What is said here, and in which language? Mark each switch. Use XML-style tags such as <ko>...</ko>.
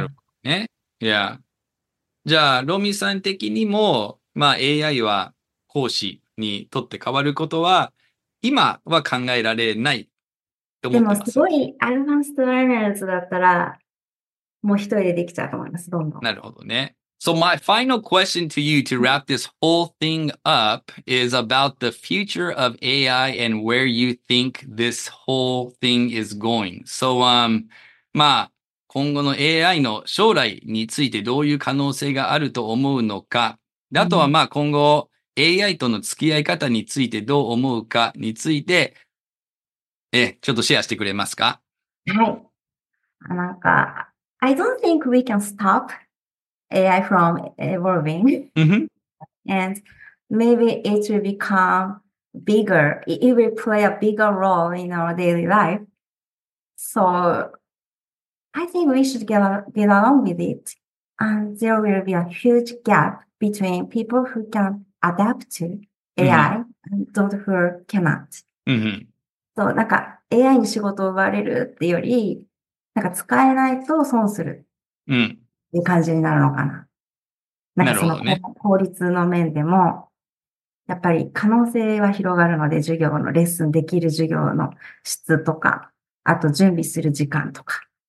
<ja>なるほどね。いや。じゃあ、ロミさん的にも、まあ AI は講師にとって変わることは、今は考えられないと思ってます。でも、すごいアドバンストラーナーズだったら、もう一人でできちゃうと思います、どんどん。なるほどね。</ja> <en>So my final question to you to wrap this whole thing up is about the future of AI and where you think this whole thing is going.</en> <ja>So, まあ、今後の AI の将来についてどういう可能性があると思うのか。あとはまあ今後 AI との付き合い方についてどう思うかについて、ちょっとシェアしてくれますか？はい。なんか、</ja> <en>I don't think we can stop AI from evolving. And maybe it will become bigger. It will play a bigger role in our daily life. So,I think we should get along with it. And there will be a huge gap between people who can adapt to AI、mm-hmm. and those who cannot.、 Mm-hmm.</en> <ja>そう、なんか AI に仕事を奪われるっていうより、なんか使えないと損するっていう感じになるのかな。 Mm-hmm. なるほどね。効率の面でも、やっぱり可能性は広がるので、授業のレッスンできる授業の質とか、あと準備する時間とか。</ja>